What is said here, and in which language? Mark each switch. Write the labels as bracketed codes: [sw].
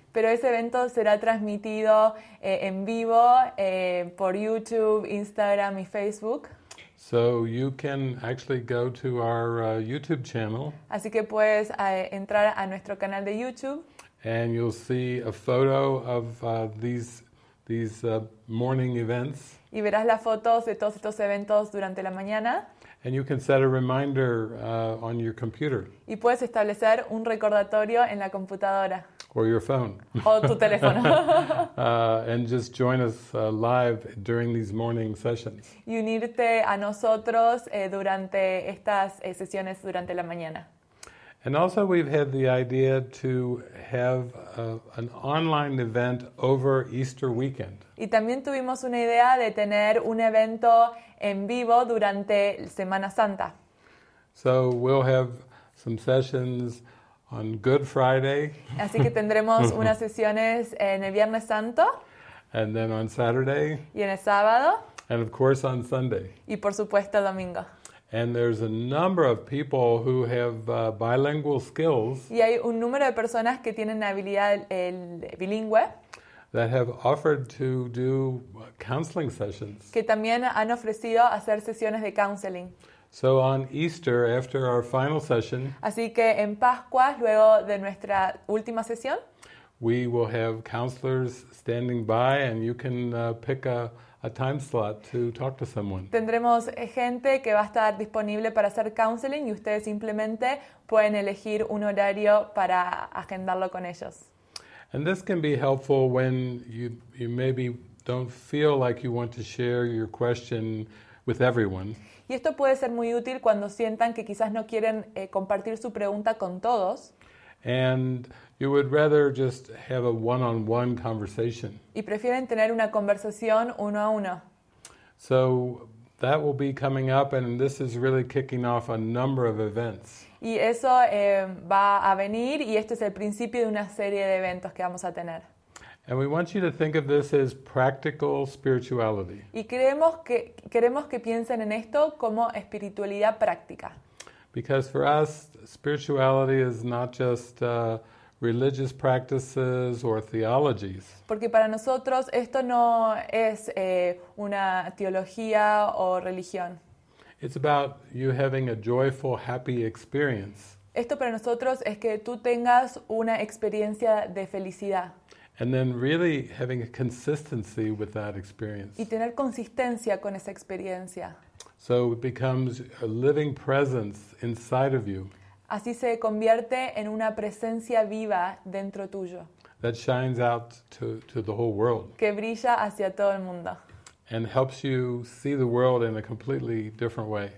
[es] Pero ese evento será transmitido en vivo por YouTube, Instagram y Facebook. [en] So you can actually go to our YouTube channel. [es] Así que puedes entrar a nuestro canal de YouTube. [en] And you'll see a photo of these morning events. [es] Y verás las fotos de todos estos eventos durante la mañana. [en] And you can set a reminder on your computer. [es] Y puedes establecer un recordatorio en la computadora. [en] Or your phone. [es] O tu teléfono. [en] And just join us live during these morning sessions. [es] Y unirte a nosotros durante estas sesiones durante la mañana. [en] And also we've had the idea to have an online event over Easter weekend. [es] Y también tuvimos una idea de tener un evento en vivo durante Semana Santa. [en] So we'll have some sessions on Good Friday. [es] Así que tendremos unas sesiones en el Viernes Santo. [en] And then on Saturday. [es] Y en el sábado. [en] And of course on Sunday. [es] Y por supuesto domingo. [en] And there's a number of people who have bilingual skills. [es] Y hay un número de personas que tienen habilidad bilingüe. [en] That have offered to do counseling sessions. [es] Que también han ofrecido hacer sesiones de counseling. [en] So on Easter, after our final session. [es] Así que en Pascua, luego de nuestra última sesión. [en] We will have counselors standing by, and you can pick a time slot to talk to someone. [es] Tendremos gente que va a estar disponible para hacer counseling y ustedes simplemente pueden elegir un horario para agendarlo con ellos. [en] And this can be helpful when you maybe don't feel like you want to share your question with everyone. [es] Y esto puede ser muy útil cuando sientan que quizás no quieren compartir su pregunta con todos. [en] And you would rather just have a one-on-one conversation. [es] Y prefieren tener una conversación uno a uno. [en] So that will be coming up, and this is really kicking off a number of events. [es] Y eso va a venir, y esto es el principio de una serie de eventos que vamos a tener. [en] And we want you to think of this as practical spirituality. [es] Y queremos que piensen en esto como espiritualidad práctica. [en] Because for us, spirituality is not just religious practices or theologies. [es] Porque para nosotros esto no es una teología o religión. [en] It's about you having a joyful, happy experience. [es] Esto para nosotros es que tú tengas una experiencia de felicidad. [en] And then really having a consistency with that experience. [es] Y tener consistencia con esa experiencia. [en] So it becomes a living presence inside of you. [es] Así se convierte en una presencia viva dentro tuyo. [en] That shines out to the whole world. [es] Que brilla hacia todo el mundo. [en] And helps you see the world in a completely different way.